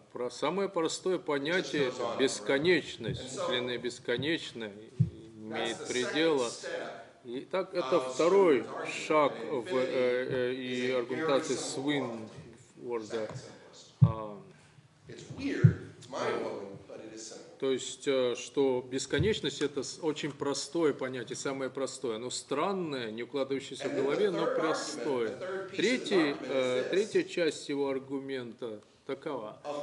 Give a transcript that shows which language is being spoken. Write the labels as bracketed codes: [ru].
[ru] Самое простое понятие – бесконечность. Вселенная бесконечна, имеет предела. Итак, это второй шаг в аргументации Свин [en] were the It's weird, it's mind-blowing, but it is simple. [ru] То есть, что бесконечность — это очень простое понятие, самое простое. Оно странное, не укладывающееся в голове, но простое. Третья часть его аргумента такова.